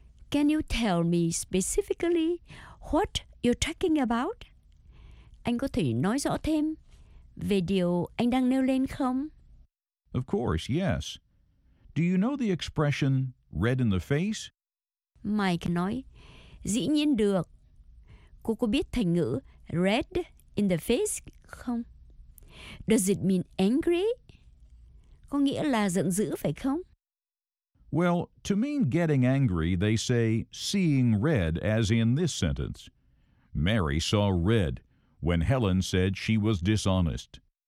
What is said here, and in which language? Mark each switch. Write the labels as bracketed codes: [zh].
[en] Can you tell me specifically what you're talking about? [vi] Anh có thể nói rõ thêm về điều anh đang nêu lên không? [en] Of course, yes. Do you know the expression red in the face? [vi] Mike nói, dĩ nhiên được. Cô có biết thành ngữ red in the face không? [en] Does it mean angry? [vi] Có nghĩa là giận dữ phải không? [en] Well, to mean getting angry, they say seeing red as in this sentence. Mary saw red when Helen said she was dishonest.